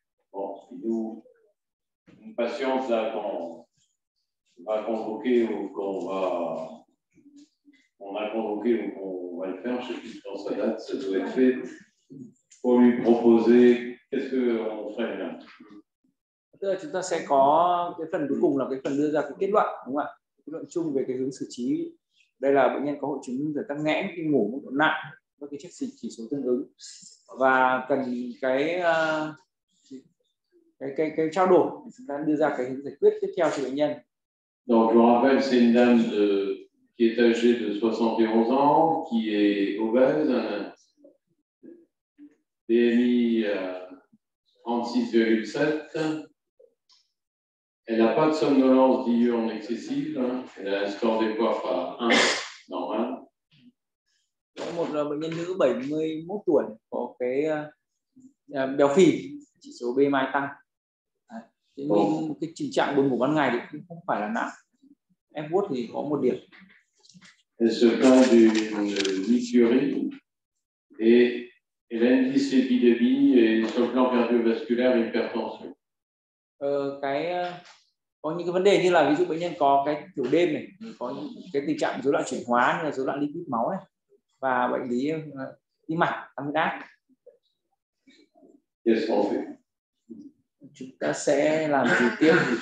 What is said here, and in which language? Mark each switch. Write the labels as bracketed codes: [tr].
[fr] Bon, nous, une patiente là qu'on va convoquer ou qu'on va le faire, je ne sais plus quand ça date, ça doit être fait, pour lui proposer qu'est-ce qu'on ferait là. [vi] Tức là chúng ta sẽ có cái phần cuối cùng là cái phần đưa ra cái kết luận, đúng không ạ? Kết luận chung về cái hướng xử trí đây là bệnh nhân có hội chứng ngưng thở tắc nghẽn khi ngủ mức độ nặng với cái chiếc chỉ số tương ứng và cần cái trao đổi để chúng ta đưa ra cái hướng giải quyết tiếp theo cho bệnh nhân. [fr] Donc je rappelle, c'est une dame de, qui est âgée de 71 ans, qui est obèse, un BMI 36,7. Elle n'a pas de somnolence diurne excessive. Elle a un score de coiffe à 1, normal. [vi] Một là bệnh nhân nữ 71 tuổi, có cái béo phì, chỉ số BMI tăng. Thế nên cái tình trạng buồn ngủ ban ngày thì cũng không phải là nặng. Em vuốt thì có một điểm. [fr] Elle se plaint d'une dysurie et elle a une dyslipidémie et sur le plan cardiovasculaire hypertension. [vi] Cái có những cái vấn đề như là ví dụ bệnh nhân có cái tiểu đêm này, có những cái tình trạng rối loạn chuyển hóa như là rối loạn lipid máu này và bệnh lý tim mạch tăng huyết áp. [en] Yes, okay. [vi] Chúng ta sẽ làm gì tiếp?